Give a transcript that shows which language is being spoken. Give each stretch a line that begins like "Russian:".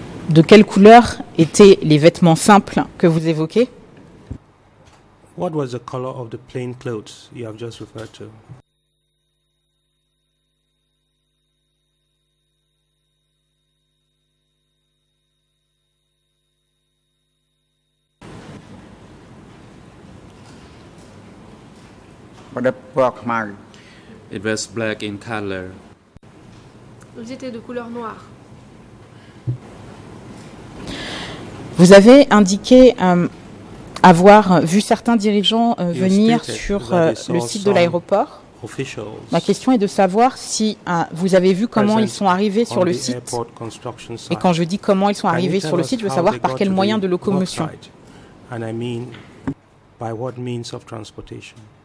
French: De quelle couleur étaient les vêtements simples que vous évoquez?
English: What was the color of the plain clothes you have just referred to? But the black man. It was black in color.
French: Ils étaient de couleur noire. Vous avez indiqué avoir vu certains dirigeants venir sur le site de l'aéroport. Ma question est de savoir si vous avez vu comment ils sont arrivés sur le site. Et quand je dis comment ils sont arrivés sur le site, je veux savoir par quel moyen de locomotion.
English: And I mean by what means of transportation.